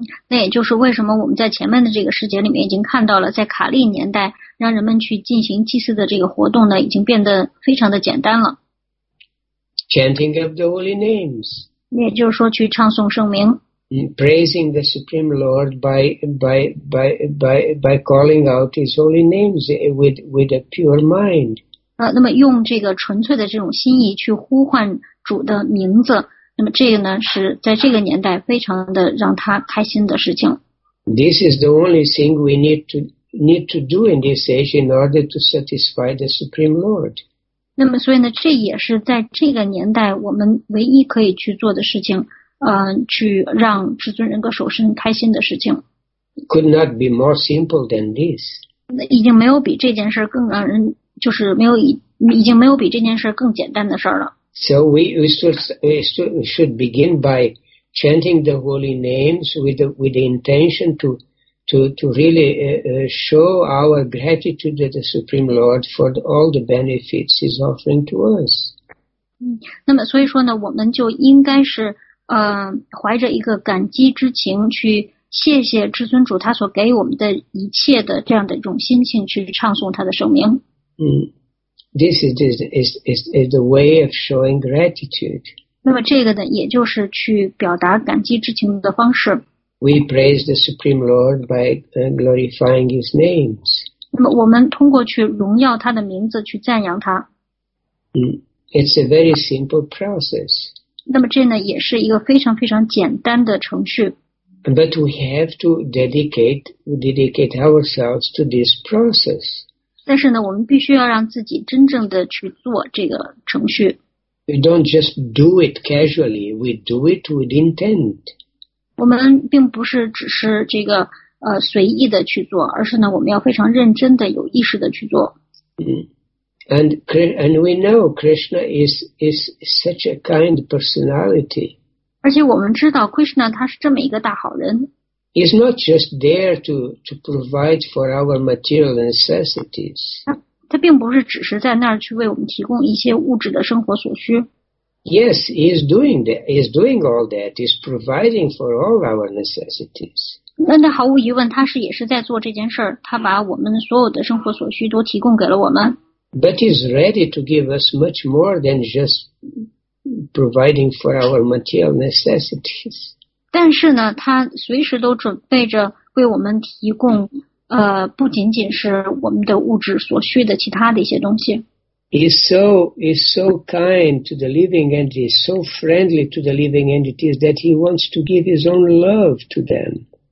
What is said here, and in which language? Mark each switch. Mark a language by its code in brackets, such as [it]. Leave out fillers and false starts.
[zh] 那也就是为什么我们在前面的这个时节里面已经看到了，在卡利年代，让人们去进行祭祀的这个活动呢，已经变得非常的简单了。 [en] Chanting of the holy names. [zh] 也就是说去唱诵圣名。 [en] Praising the Supreme Lord by calling out His holy names with a pure mind. [zh] 那么用这个纯粹的这种心意去呼唤主的名字，那么这个呢是在这个年代非常的让他开心的事情。 [en] This is the only thing we need to do in this age in order to satisfy the Supreme Lord. [zh] 那么所以呢，这也是在这个年代我们唯一可以去做的事情。去让至尊人格守身开心的事情。 [en] Could not be more simple than this. [zh] 已经没有比这件事更让人，就是没有，已经没有比这件事更简单的事了。 [en] So we should begin by chanting the holy names with the intention to really show our gratitude to the Supreme Lord for all the benefits He's offering to us. [zh] 那么所以说呢，我们就应该是怀着一个感激之情去谢谢至尊主他所给我们的一切的这样的一种心情去唱诵他的圣名。 [en] This is the way of showing gratitude. [zh] 那么这个呢，也就是去表达感激之情的方式。 [en] We praise the Supreme Lord by glorifying His names. [zh] 那么我们通过去荣耀他的名字去赞扬他。 [en] It's a very simple process. [zh] 那么这呢也是一个非常非常简单的程序。 [en] But we have to dedicate ourselves to this process. [zh] 但是呢，我们必须要让自己真正的去做这个程序。 [en] We don't just do it casually. We do it with intent. [zh] 我们并不是只是这个随意的去做，而是呢，我们要非常认真的、有意识的去做。 [en] And we know Krishna is such a kind personality. [zh] 而且我们知道 Krishna 他是这么一个大好人。 [en] He's not just there to provide for our material necessities. [zh] 他并不是只是在那儿去为我们提供一些物质的生活所需。 [en] Yes, he is doing that. He is doing all that. He's providing for all our necessities. [zh] 那毫无疑问，他是也是在做这件事儿。他把我们所有的生活所需都提供给了我们。 [en] But he's ready to give us much more than just providing for our material necessities. [zh] 但是呢，他随时都准备着为我们提供，不仅仅是我们的物质所需的其他的一些东西。 [en] He's so kind to the living entities, so friendly to the living entities that he wants to give his own love to them.